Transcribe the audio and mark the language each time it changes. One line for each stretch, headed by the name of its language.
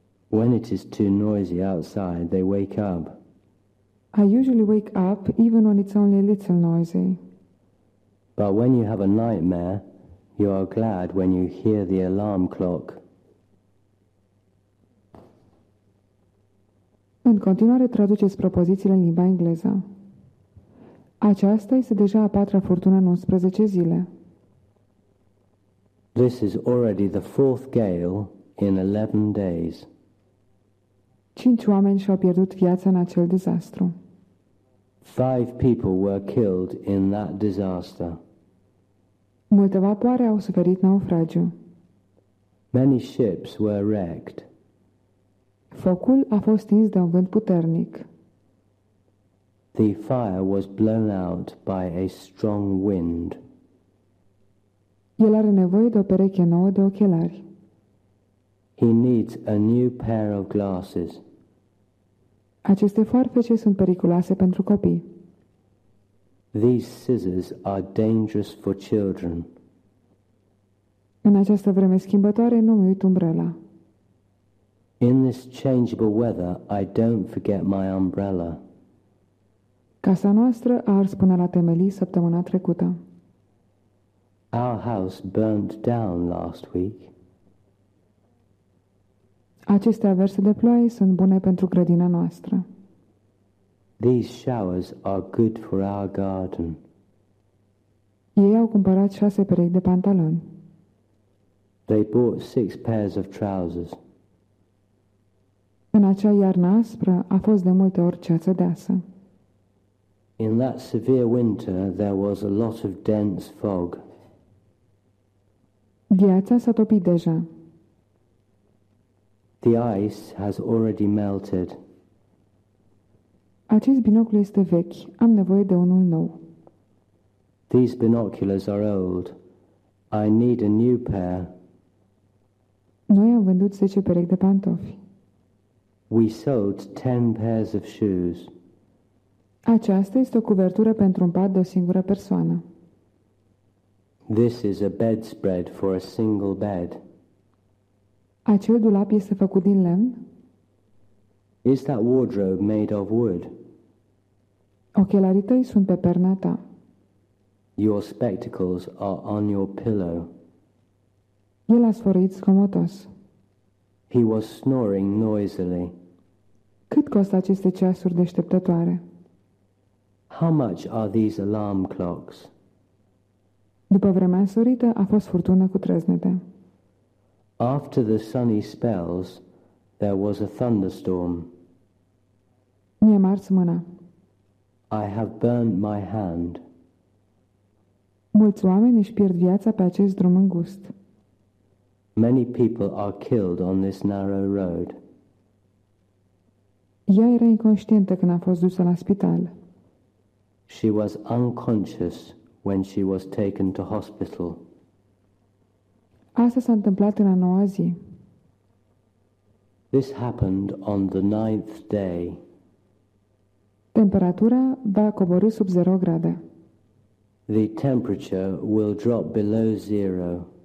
English: When it is too noisy outside, they wake up. I usually wake up even when it's only a little noisy. But when you have a nightmare, You are glad when you hear the alarm clock.
Romanian: În continuare traduceți propozițiile în limba engleză. Aceasta este deja a patra furtună în 11 zile.
English: This is already the fourth gale in 11 days.
Romanian: Cinci oameni și-au pierdut viața în acel dezastru.
English: Five people were killed in that disaster.
Romanian: Multe vapoare au suferit naufragiu.
English: Many ships were wrecked.
Romanian: Focul a fost stins de un vânt puternic.
English: The fire was blown out by a strong wind.
Romanian: El are nevoie de o pereche nouă de ochelari.
English: He needs a new pair of glasses.
Romanian: Aceste foarfece sunt periculoase pentru copii.
English: These scissors are dangerous for children.
Romanian: În această vreme schimbătoare nu îmi uit umbrela.
English: In this changeable weather, I don't forget my umbrella.
Romanian: Casa noastră a ars până la temelii săptămâna trecută.
English: Our house burned down last week.
Romanian: Aceste averse de ploaie sunt bune pentru grădina noastră.
English: These showers are good for our garden.
Romanian: Ei au cumpărat 6 perechi de pantaloni.
English: They bought 6 pairs of trousers.
Romanian: În acea iarnă aspră a fost de multe ori ceață deasă.
English: In that severe winter there was a lot of dense fog.
Romanian: Gheața s-a topit deja.
English: The ice has already melted.
Romanian: Acest binoclu este vechi. Am nevoie de unul nou.
English: These binoculars are old. I need a new pair.
Romanian: Noi am vândut 10 perechi de pantofi.
English: We sold 10 pairs of shoes.
Romanian: Aceasta este o cuvertură pentru un pat de o singură persoană.
English: This is a bedspread for a single bed.
Romanian: Acel dulap este făcut din lemn?
English: Is that wardrobe made of wood?
Romanian: Ochelarii tăi sunt pe perna ta.
English: Your spectacles are on your pillow.
Romanian: El a sfărâit zgomotos.
English: He was snoring noisily.
Romanian: Cât costă aceste ceasuri deșteptătoare?
English: How much are these alarm clocks?
Romanian: După vremea însorită, a fost furtună cu trăznete.
English: After the sunny spells, there was a thunderstorm.
Romanian: Mi-e mars mâna.
English: I have burned my hand.
Romanian: Mulți oameni își pierd viața pe acest drum îngust.
English: Many people are killed on this narrow road.
Romanian: Ea era inconștientă când a fost dusă la spital.
English: She was unconscious when she was taken to hospital.
Romanian: Asta s-a întâmplat în a noua zi.
English: This happened on the ninth day.
Romanian: Temperatura va coborî sub 0 grade.
English: The temperature will drop below zero.